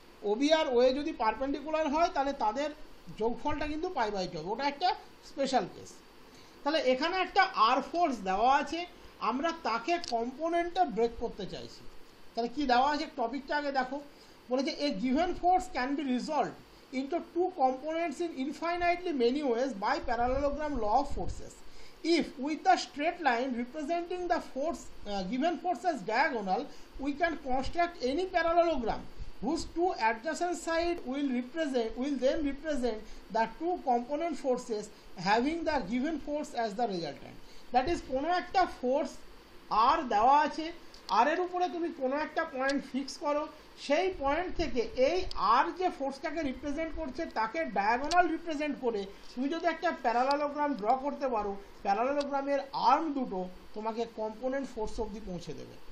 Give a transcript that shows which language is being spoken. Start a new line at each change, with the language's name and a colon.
Bangla: Obi আর OA যদি perpendicular হয় তাহলে তাদের যোগফলটা কিন্তু পাই বাই টু হবে, ওটা একটা স্পেশাল কেস। তাহলে এখানে একটা আর ফোর্স দেওয়া আছে, আমরা তাকে কম্পোনেন্টে ব্রেক করতে চাইছি। তাহলে কী দেওয়া আছে টপিকটা আগে দেখো, বলেছে
English: A given force can be resolve into two components in infinitely many ways by parallelogram law of forces. If with the straight line representing the force given force as diagonal, we can construct any parallelogram whose two adjacent sides will then represent the two component forces having the given force as the resultant. That is,
Bangla: কোনো একটা force আর দেওয়া আছে, আর এর উপরে তুমি কোনো একটা point fix করো, সেই পয়েন্ট থেকে এই আর যে ফোর্সটাকে রিপ্রেজেন্ট করছে তাকে ডায়াগোনাল রিপ্রেজেন্ট করে তুমি যদি একটা প্যারালালোগ্রাম ড্র করতে পারো, প্যারালালোগ্রামের আর্ম দুটো তোমাকে কম্পোনেন্ট ফোর্স অবধি পৌঁছে দেবে।